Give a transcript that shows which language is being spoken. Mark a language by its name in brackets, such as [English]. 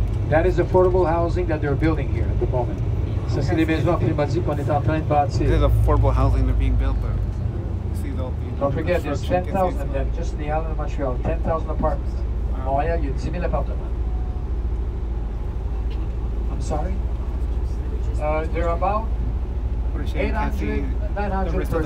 [English] That is affordable housing that they're building here at the moment. [French] Ça, c'est des maisons climatiques qu'on est en train de bâtir. [English] This is affordable housing that's being built there. Don't forget, there's 10,000 of them just in the island of Montreal. 10,000 apartments. Montréal, you have 10,000 apartments. Sorry? They're about 800, 900